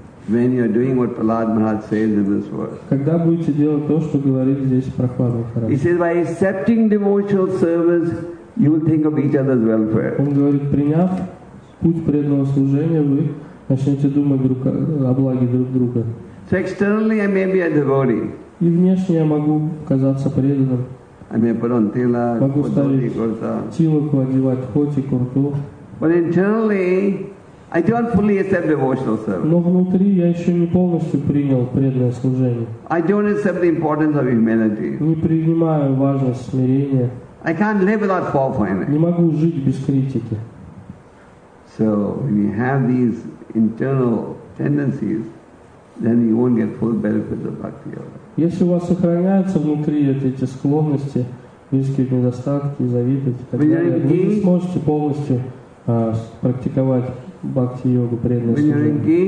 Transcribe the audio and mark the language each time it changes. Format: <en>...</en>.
<en>When you are doing what Prahlad Maharaj says in this verse.</en> <ru>Когда будете делать то, что говорит здесь Прохлад Махарадж?</ru> <en>He says, by accepting devotional service, you will think of each other's welfare.</en> <ru>Он говорит, приняв путь преданного служения, вы начнете думать о благе друг друга.</ru> <en>So externally I may be a devotee.</en> <ru>И внешне я могу казаться преданным.</ru> <en>I may put on tila, koti,</en> <ru>kurta. Хоти, курту.</ru> <en>But internally, I don't fully accept devotional service.</en> <ru>Но внутри я еще не полностью принял преданное служение.</ru> <en>I don't accept the importance of humility.</en> <ru>Не принимаю важность смирения.</ru> <en>I can't live without fault finding.</en> <ru>Не могу жить без критики.</ru> <en>So when you have these internal tendencies, then you won't get full benefits of bhakti yoga.</en> <ru>Если у вас сохраняются внутри эти склонности, низкие недостатки, завидовать, так далее, вы не сможете полностью практиковать бхакти-йогу, преданное служение.</ru>